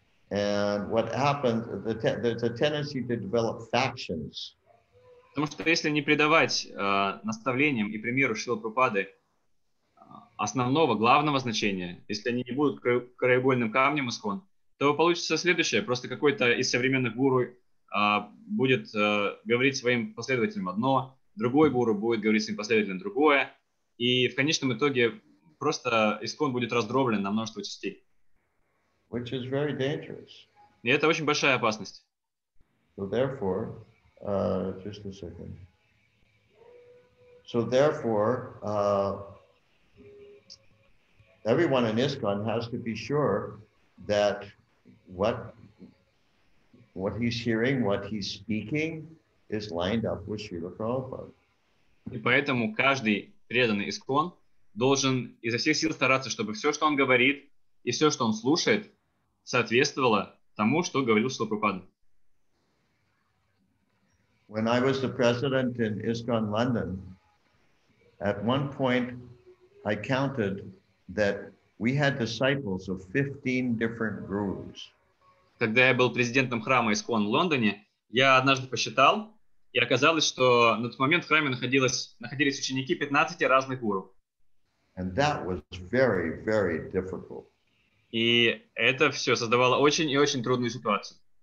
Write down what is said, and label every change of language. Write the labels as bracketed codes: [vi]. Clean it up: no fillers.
[en] And what happens, there's a tendency to develop factions. [ru] Потому что если не придавать наставлениям и примеру Шрилы Прабхупады основного, главного значения, если они не будут краеугольным камнем ISKCON, то получится следующее. Просто какой-то из современных гуру будет говорить своим последователям одно, другой гуру будет говорить своим последователям другое, и в конечном итоге просто ISKCON будет раздроблен на множество частей. [en] Which is very dangerous. [ru] И это очень большая опасность. [en] So therefore, just a second. So therefore, everyone in ISKCON has to be sure that what he's hearing, what he's speaking, is lined up with Srila Prabhupada. [ru] И поэтому каждый преданный ISKCON должен изо всех сил стараться, чтобы все, что он говорит, и все, что он слушает, соответствовало тому, что говорил Шрила Прабхупада. [en] When I was the president in ISKCON London, at one point I counted that we had disciples of 15 different gurus. [ru] Когда я был президентом храма ISKCON в Лондоне, я однажды посчитал, и оказалось, что на тот момент в храме находились ученики 15 разных гуру. [en] And that was very, very difficult. [ru] И это все создавало очень и очень трудную ситуацию.